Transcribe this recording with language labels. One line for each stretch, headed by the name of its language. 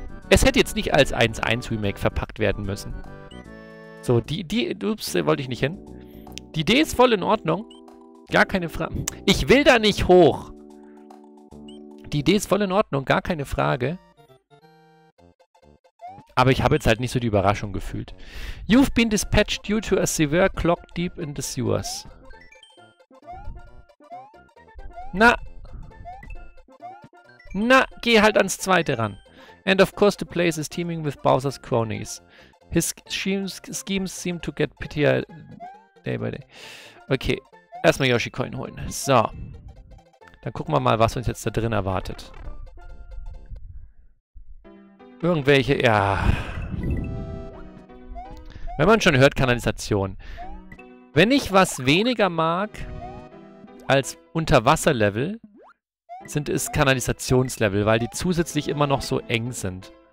German: Es hätte jetzt nicht als 1-1 Remake verpackt werden müssen. So, ups, wollte ich nicht hin. Die Idee ist voll in Ordnung. Gar keine Frage. Ich will da nicht hoch. Die Idee ist voll in Ordnung. Gar keine Frage. Aber ich habe jetzt halt nicht so die Überraschung gefühlt.
English: You've been dispatched due to a severe clog deep in the sewers.
German: Na. Na, geh halt ans zweite ran.
English: And of course the place is teeming with Bowser's cronies. His schemes seem to get pitier day by day.
German: Okay. Erstmal Yoshi-Coin holen. So. Dann gucken wir mal, was uns jetzt da drin erwartet. Irgendwelche, ja. Wenn man schon hört, Kanalisation. Wenn ich was weniger mag als Unterwasser-Level, sind es Kanalisationslevel, weil die zusätzlich immer noch so eng sind.